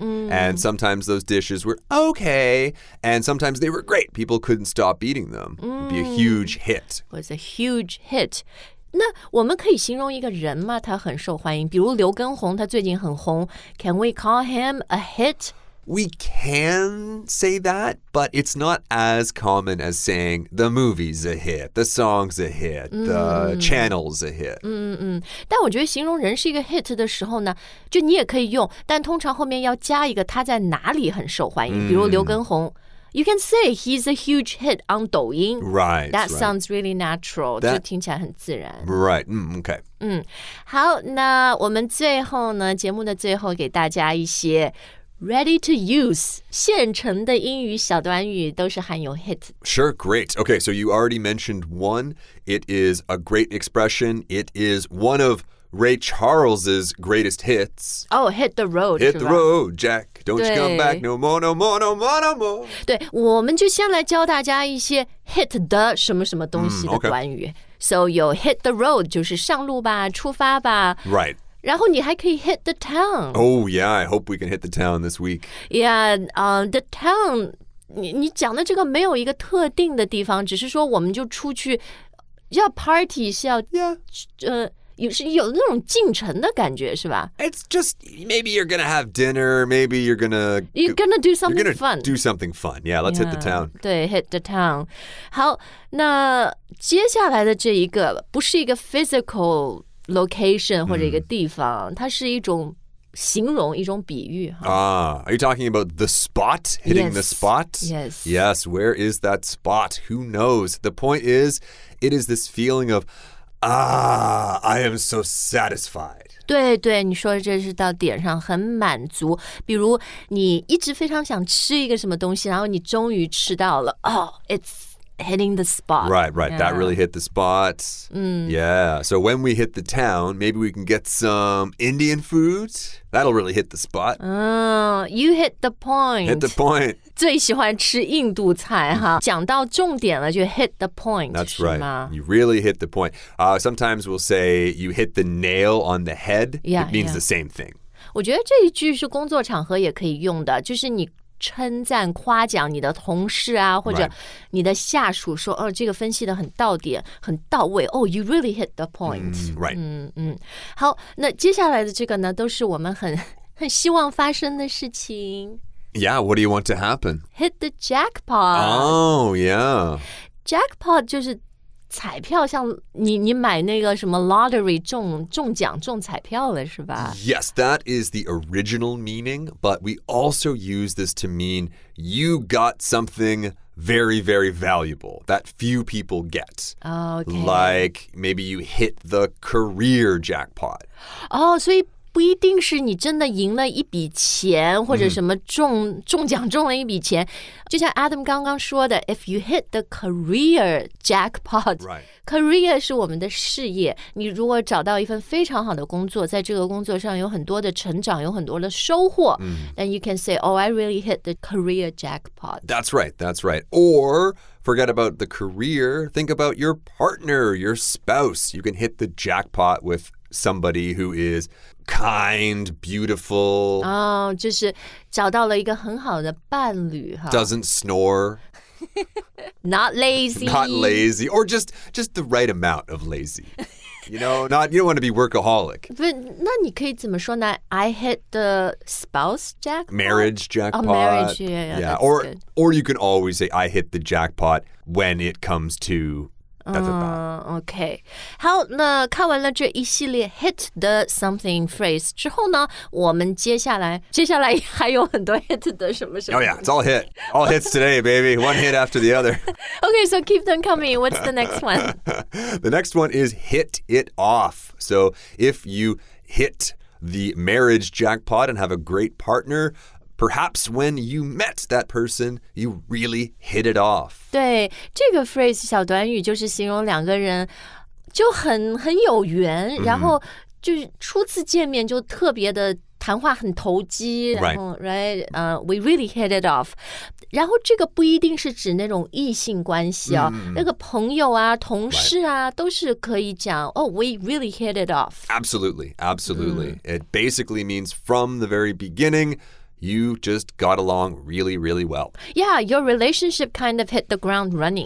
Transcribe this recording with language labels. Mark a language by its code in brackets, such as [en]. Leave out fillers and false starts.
[en] And sometimes those dishes were okay, and sometimes they were great. People couldn't stop eating them. It'd be a huge hit. Was a huge hit. [zh] 那我们可以形容一个人吗？他很受欢迎，比如刘根红，他最近很红。 [en] Can we call him a hit? We can say that, but it's not as common as saying the movie's a hit, the song's a hit, the channel's a hit. [zh] 但我觉得形容人是一个 hit 的时候呢，就你也可以用，但通常后面要加一个他在哪里很受欢迎，比如刘根红。 [en] You can say he's a huge hit on Douyin. Right. That sounds really natural. [zh] 就听起来很自然。 [en] Right. Okay. [zh] 好，那我们最后呢，节目的最后给大家一些 [en] Ready to use, [zh] 现成的英语小短语都是含有 hit. [en] Sure, great. Okay, so you already mentioned one. It is a great expression. It is one of Ray Charles's greatest hits. Oh, hit the road. Hit the road, Jack. Don't you come back no more, no more, no more, no more. [zh] 对，我们就先来教大家一些 hit 的什么什么东西的短语。 So, 有 [en] hit the road, [zh] 就是上路吧，出发吧。 [en] Right. [zh] 然后你还可以 [en] hit the town. Oh, yeah, I hope we can hit the town this week. [zh] Yeah, [en] the town, [zh] 你讲的这个没有一个特定的地方，只是说我们就出去要 party, 是要 [en] yeah. [zh] 有那种进城的感觉，是吧？ [en] It's just, maybe you're gonna have dinner, maybe you're gonna... You're gonna do something you're gonna fun. Do something fun, yeah, let's hit the town. [zh] 对 [en] hit the town. [zh] 好，那接下来的这一个不是一个 physical... location 或者一个地方、它是一种形容一种比喻、 [en] Are you talking about the spot? Hitting the spot? Yes. Yes, where is that spot? Who knows? The point is, it is this feeling of I am so satisfied. [zh] 对对你说这是到点上很满足比如你一直非常想吃一个什么东西然后你终于吃到了 [en] it's hitting the spot. Right, right.、Yeah. That really hit the spot.、Yeah. So when we hit the town, maybe we can get some Indian food. That'll really hit the spot.、 You hit the point. Hit the point. [zh] 最喜欢吃印度菜哈。讲到重点了就 [en] hit the point. That's right. You really hit the point.、sometimes we'll say you hit the nail on the head. Yeah, It means yeah. the same thing. [zh] 我觉得这一句是工作场合也可以用的就是你称赞夸奖你的同事啊或者你的下属说、 [en] right. [zh] 这个分析的很到点很到位 [en] Oh, you really hit the point、 right. [zh] 好那接下来的这个呢都是我们很希望发生的事情 [en] Yeah, what do you want to happen? Hit the jackpot Oh, yeah [zh] Jackpot 就是彩票像你买那个什么 lottery 中奖中彩票了是吧 [en] Yes, that is the original meaning, but we also use this to mean you got something very, very valuable that few people get. Okay. Like maybe you hit the career jackpot. [zh] Oh, 所以不一定是你真的赢了一笔钱或者什么中奖中了一笔钱。就像 Adam 刚刚说的 [en] if you hit the career jackpot,、 right. [zh] career 是我们的事业。你如果找到一份非常好的工作在这个工作上有很多的成长有很多的收获、 [en] then you can say, oh, I really hit the career jackpot. That's right, that's right. Or... Forget about the career. Think about your partner, your spouse. You can hit the jackpot with somebody who is kind, beautiful. [zh] Oh, 就是找到了一个很好的伴侣。 [en] Doesn't snore. Not lazy. Not lazy. Or just the right amount of lazy. You know, you don't want to be workaholic. But, [zh] 那你可以怎么说呢? [en] I hit the spouse jackpot? Marriage jackpot. Oh, marriage, yeah. Or you can always say, I hit the jackpot when it comes to [zh] Okay. 好,那看完了这一系列 [en] hit the something phrase [zh] 之后呢,我们接下来还有很多 hit 的什么什么。 [en] Oh yeah, it's all hit. All hits today, baby. One hit after the other. Okay, so keep them coming. What's the next one? The next one is hit it off. So if you hit the marriage jackpot and have a great partner... Perhaps when you met that person, you really hit it off. [zh] 对,这个 phrase 小短语就是形容两个人就很有缘、然后就初次见面就特别的谈话很投机 [en] Right. Right? We really hit it off. [zh] 然后这个不一定是指那种异性关系哦、那个朋友啊同事啊、 [en] right. [zh] 都是可以讲 [en] Oh, we really hit it off. Absolutely, absolutely.、It basically means from the very beginningYou just got along really, really well. Yeah, your relationship kind of hit the ground running.